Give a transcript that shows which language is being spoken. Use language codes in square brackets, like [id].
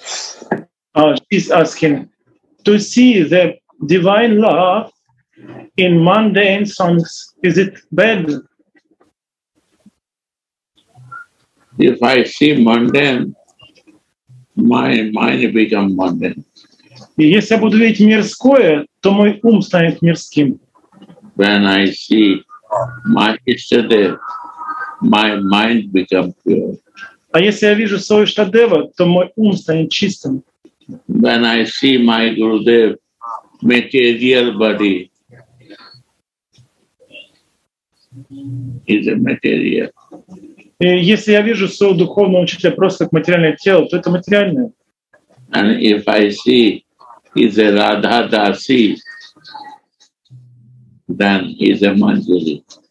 [en] She's asking to see the divine love in mundane songs, is it bad? If I see mundane, my mind become mundane. [ru] И если я буду видеть мирское, то мой ум станет мирским. [en] When I see my Ishtadev, my mind become pure. [ru] А если я вижу свой Ishtadeva, то мой ум станет чистым. [en] When I see my Gurudev, material body. Is a material. [ru] И если я вижу своего духовного учителя просто как материальное тело, то это материальное. [en] And if I see is a Radha Dasi, then is a Manjari.